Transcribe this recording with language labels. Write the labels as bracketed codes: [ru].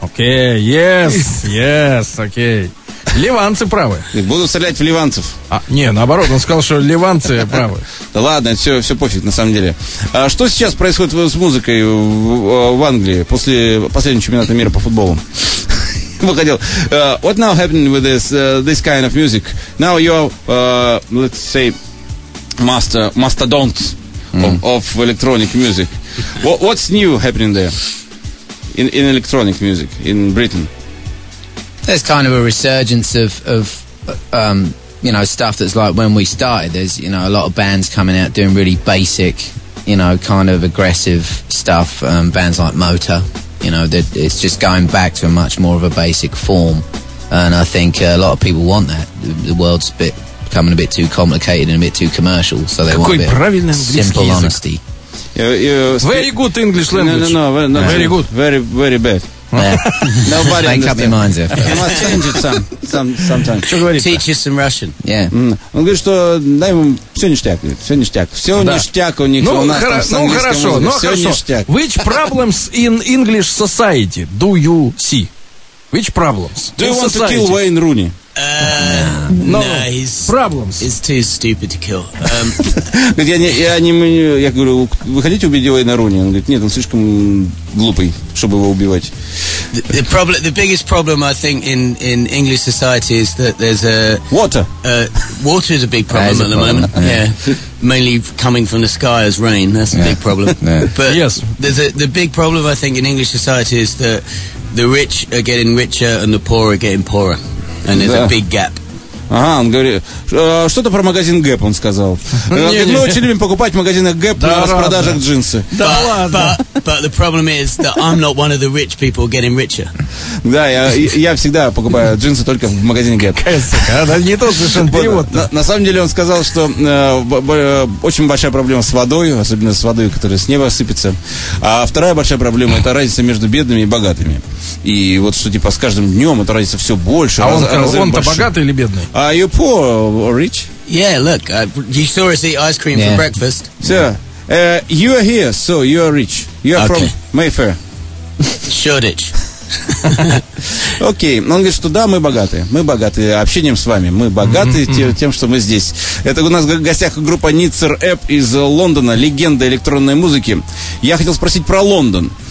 [en] Okay, yes, okay. [ru] Ливанцы правы. Буду стрелять в ливанцев. Не, наоборот, он сказал, что ливанцы правы. Да ладно, все пофиг, на самом деле. А что сейчас происходит с музыкой в Англии после последнего чемпионата мира по футболу? [en] What now happened with this kind of music? Now you are, let's say, mastodonts of electronic music. What's new happening there in electronic music in Britain? There's kind of a resurgence of you know, stuff that's like when we started. There's, you know, a lot of bands coming out doing really basic, you know, kind of aggressive stuff. Bands like Motor. You know, that it's just going back to a much more of a basic form, and I think a lot of people want that. The world's a bit becoming a bit too complicated and a bit too commercial, so they want a bit of simple honesty. Very good English language. No, very good, very very bad. Nobody make up your minds. You must change it sometimes. Teach us some Russian. Yeah. [ru] Он говорит, что дай ему все ништяк. Все ништяк у них. Ну хорошо. [en] Which problems in English society do you see? Which problems? Do you want to kill Wayne Rooney? No, problems. He's too stupid to kill. [ru] Я говорю, вы хотите убить Уэйна Руни? Он говорит, нет, он слишком глупый, чтобы его убивать. [en] The biggest problem, I think, in English society is that there's a... Water. Water is a big problem at the moment. Yeah. Mainly coming from the sky as rain, that's a big problem. Yeah. But yes. The big problem, I think, in English society is that the rich are getting richer and the poor are getting poorer. And there's a big gap. [ru] Ага, он говорит, что-то про магазин Гэп он сказал. Мы очень любим покупать в магазинах Гэп на распродажах джинсы. Да ладно. [en] But the problem is that I'm not one of the rich people getting richer. [ru] Да, я всегда покупаю джинсы только в магазине Гэп. Не тот совершенно перевод. На самом деле он сказал, что очень большая проблема с водой, особенно с водой, которая с неба сыпется. А вторая большая проблема — это разница между бедными и богатыми. И вот что, типа, с каждым днем эта разница все больше. А он-то богатый или бедный? [en] Are you poor or rich? Yeah, look, you saw us eat ice cream for breakfast. Sir, you are here, so you are rich. You are from Mayfair. Shoreditch. [ru] Окей, он говорит, что да, мы богатые общением с вами, мы богаты тем, что мы здесь. Это у нас в гостях группа Nitzer App из Лондона, легенда электронной музыки. Я хотел спросить про Лондон.